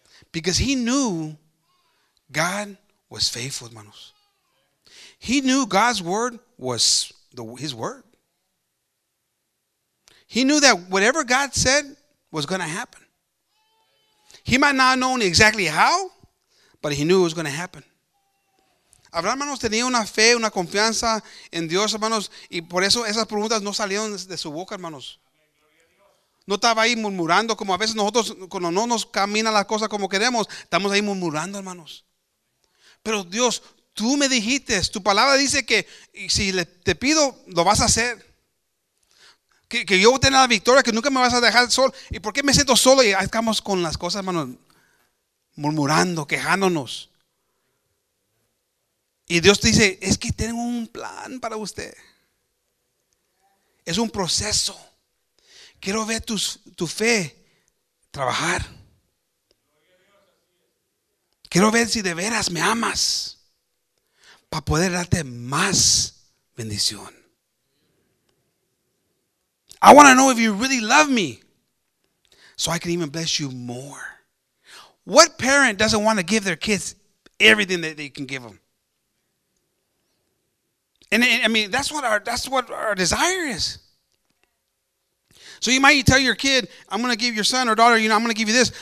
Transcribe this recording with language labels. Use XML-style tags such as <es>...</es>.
<en>Because he knew God was faithful, hermanos. He knew God's word was his word. He knew that whatever God said was going to happen. He might not have known exactly how, but he knew it was going to happen.</en> <es>Abraham, hermanos, tenía una fe, una confianza en Dios, hermanos, y por eso esas preguntas no salieron de su boca, hermanos. No estaba ahí murmurando, como a veces nosotros, cuando no nos camina la cosa como queremos, estamos ahí murmurando, hermanos. Pero Dios, tú me dijiste, tu palabra dice que si te pido, lo vas a hacer. Que yo voy a tener la victoria, que nunca me vas a dejar solo. ¿Y por qué me siento solo? Y ahí estamos con las cosas, hermanos, murmurando, quejándonos. Y Dios te dice, es que tengo un plan para usted. Es un proceso. Quiero ver tu fe trabajar. Quiero ver si de veras me amas para poder darte más bendición.</es> <en>I want to know if you really love me so I can even bless you more. What parent doesn't want to give their kids everything that they can give them? And I mean, that's what our desire is. So you might tell your kid, I'm going to give your son or daughter, you know, I'm going to give you this.</en>